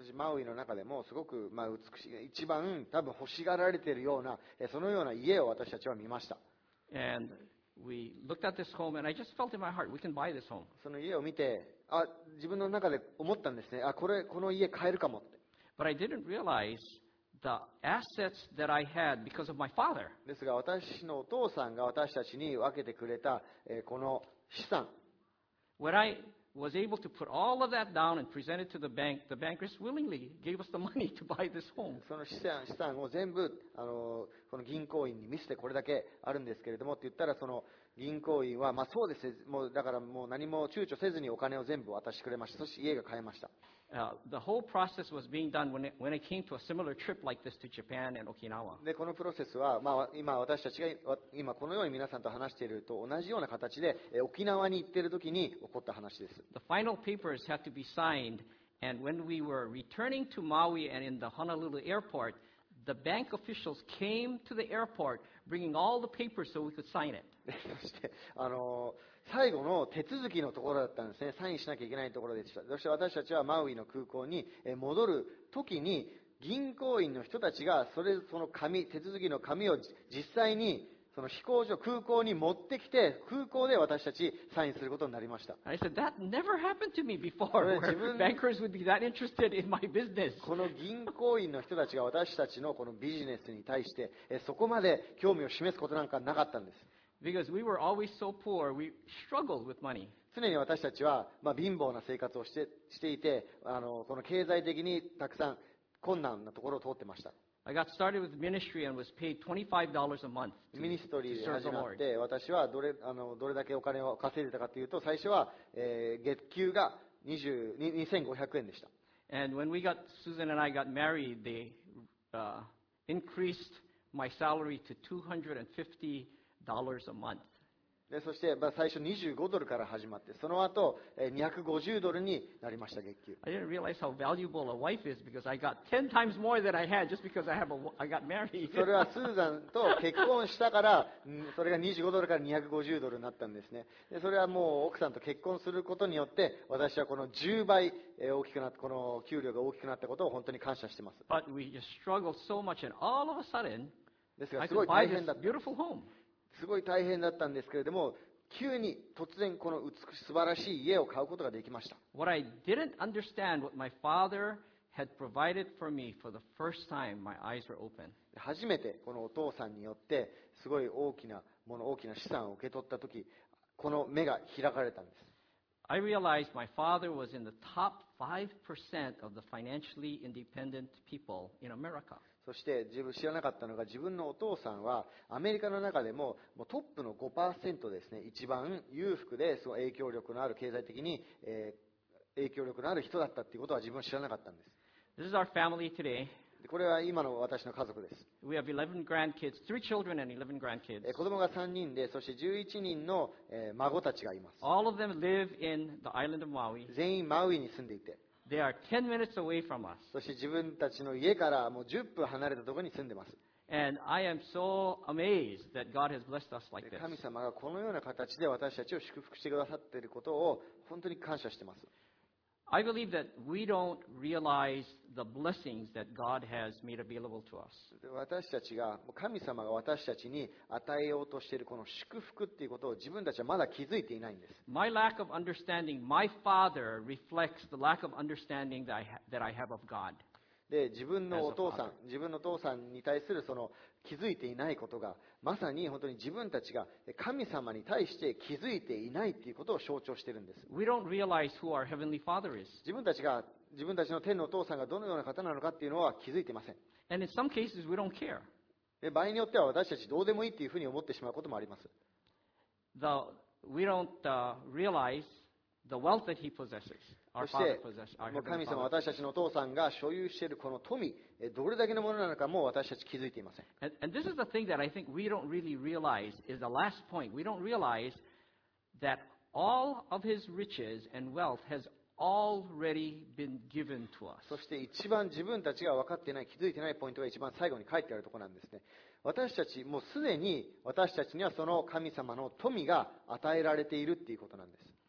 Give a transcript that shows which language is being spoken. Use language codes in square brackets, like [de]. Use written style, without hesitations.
[ja] マウイの中でもすごく、まあ、美しい、一番多分欲しがられているようなそのような家を私たちは見ました。 [en] And we looked at this home, and I just felt in my heart, we can buy this home. [ja] その家を見て、あ、自分の中で思ったんですね。あ、これこの家買えるかもって。 [en] But I didn't realize the assets that I had because of my father. [ja] ですが、私のお父さんが私たちに分けてくれた、この資産。 [en] When I was able to put all of that down and present it to the bankers willingly gave us the money to buy this home. [ja] その資産を全部この銀行員に見せてこれだけあるんですけれどもって言ったら、その銀行員は、まあ、そうです、もうだからもう何も躊躇せずにお金を全部渡してくれました。そして家が買えました。 [en] The whole process was being done when I came to a similar trip like this to Japan and Okinawa. [ja] で、このプロセスは、まあ、今私たちが今このように皆さんと話していると同じような形で、沖縄に行っている時に起こった話です。 [en] The final papers had to be signed, and when we were returning to Maui and in the Honolulu airport, the bank officials came to the airport bringing all the papers so we could sign it. [ja] そして、最後の手続きのところだったんですね。サインしなきゃいけないところでした。そして私たちはマウイの空港に戻るときに、銀行員の人たちがそれその紙、手続きの紙を実際にその飛行場、空港に持ってきて、空港で私たちサインすることになりました。 [en] I said, that never happened to me before, where bankers would be that interested in my business. [ja] この銀行員の人たちが私たちのこのビジネスに対して、そこまで興味を示すことなんかなかったんです。 [en] Because we were always so poor, we struggled with money. [ja] 常に私たちは、まあ、貧乏な生活をしていて、この経済的にたくさん困難なところを通ってました。 [en] I got started with ministry and was paid $25 a month. [ja] ミニストリーで始まって、私はどれだけお金を稼いでたかというと、最初は、月給が2500円でした。 [en] And when we got, Susan and I got married, they increased my salary to $250 a month. [ja] で、そして、まあ、最初25ドルから始まって、その後、250ドルになりました、月給。 [en] I didn't realize how valuable a wife is because I got 10 times more than I had just because I got married. [ja] それはスーザンと結婚したから、それが25ドルから250ドルになったんですね。で、それはもう奥さんと結婚することによって、私はこの10倍大きくなった、この給料が大きくなったことを本当に感謝しています。 [en] But we just struggled so much and all of a sudden, [ja] ですが、すごい大変だったんです。 [en] This beautiful home. [ja] すごい大変だったんですけれども、急に突然この美しい素晴らしい家を買うことができました。 [en] What I didn't understand what my father had provided for me for the first time, my eyes were open. [ja] 初めてこのお父さんによってすごい大きなもの、大きな資産を受け取ったとき、この目が開かれたんです。 [en] I realized my father was in the top 5% of the financially independent people in America. [ja] そして自分知らなかったのが、自分のお父さんはアメリカの中でもトップの 5% ですね、一番裕福で、その影響力のある、経済的に影響力のある人だったということは自分は知らなかったんです。 [en] This is our family today. [ja] これは今の私の家族です。 [en] We have 11 grandkids, 3 children and 11 grandkids. [ja] 子供が3人で、そして11人の孫たちがいます。 [en] All of them live in the island of Maui. [ja] 全員マウイに住んでいて。 [en] They are 10 minutes away from us. [ja] そして自分たちの家からもう10分離れたところに住んでます。 [en] And I am so amazed that God has blessed us like this. [ja] 神様がこのような形で私たちを祝福してくださっていることを本当に感謝しています。 [en] I believe that we don't realize the blessings that God has made available to us. [ja] 私たちが、神様が私たちに与えようとしているこの祝福っていうことを自分たちはまだ気づいていないんです。 [en] My lack of understanding, my father reflects the lack of understanding that I have of God. [ja] で、自分のお父さん、自分のお父さんに対するその気づいていないことが、まさに本当に自分たちが神様に対して気づいていないということを象徴しているんです。 [en] We don't realize who our heavenly father is. [ja] 自分たちの天のお父さんがどのような方なのかというのは気づいていません。 [en] And in some cases, we don't care. [ja] で、場合によっては私たちどうでもいいというふうに思ってしまうこともあります。 [en] We don't realize the wealth that he possesses. [ja] そして、もう神様、私たちのお父さんが所有しているこの富、どれだけのものなのかも私たち気づいていません。 [en] And this is the thing that I think we don't really realize is the last point. We don't realize that all of his riches and wealth has already been given to us. [ja] そして一番自分たちが分かっていない、気づいていないポイントが一番最後に書いてあるところなんですね。私たちもうすでに私たちにはその神様の富が与えられているっていうことなんです。